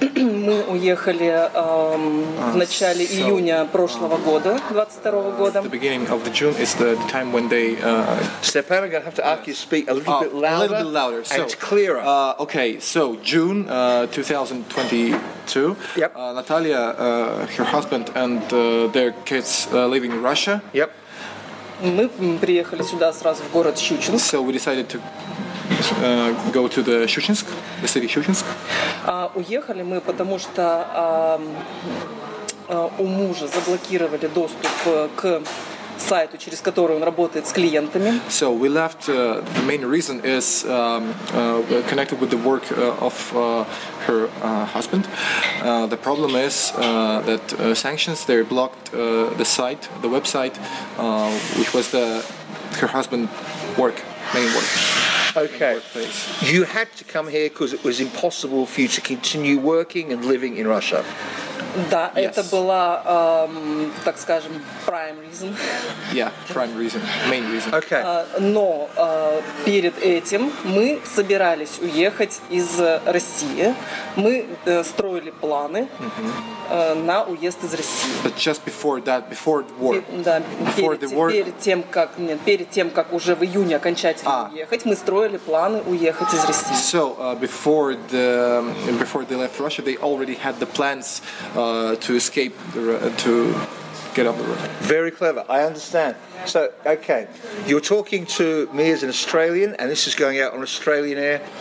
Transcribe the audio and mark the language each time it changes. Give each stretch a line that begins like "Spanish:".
Russian: мы уехали в начале июня прошлого года, 22-го года.
English: The beginning of the June is the time when they... Stepan, I'm going to have to ask you to speak a little bit louder. A little bit louder. So, and clearer. Okay, so June 2022. Yep. Natalia, her husband and their kids living in Russia. Yep.
Russian: Мы приехали сюда сразу в город Щучинск.
English: So we decided to... go to the Щучинск, the city Щучинск.
Russian: Уехали мы, потому что у мужа заблокировали доступ к сайту, через который он работает с клиентами.
English: So we left, the main reason is connected with the work of her husband. The problem is that sanctions, they blocked the site, the website, which was the her husband's work, main work. Okay, you had to come here because it was impossible for you to continue working and living in Russia.
Russian: Да,
English: yes.
Russian: Это была, так скажем,
English: prime reason. Yeah, prime reason, main reason. Okay.
Russian: Но перед этим мы собирались уехать из России. Мы строили планы на уезд из России.
English: But just before that, before the war.
Russian: Да, перед тем, как уже в июне окончательно уехать, мы строили планы уехать из России.
English: So, before they left Russia, they already had the plans to escape, to get up the road. Very clever. I understand. So, okay, you're talking to me as an Australian, and this is going out on Australian air.